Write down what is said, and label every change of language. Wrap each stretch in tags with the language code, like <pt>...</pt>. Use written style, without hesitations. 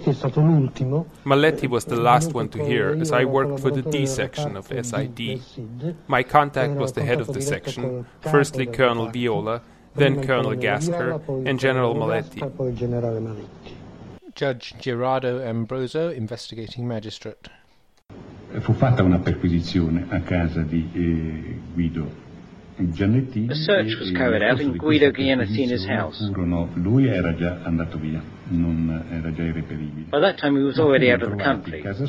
<en>Maletti was the last one to hear, as I worked for the D section of SID. My contact was the head of the section, firstly Colonel Viola, then Colonel Gasker, and General Maletti. Judge Gerardo Ambroso, investigating magistrate.</en> <it>Fu fatta una perquisizione a casa di Guido.</it> <en>A search was carried out in Guido Giannettini's house. By that time he was already out of the country.</en>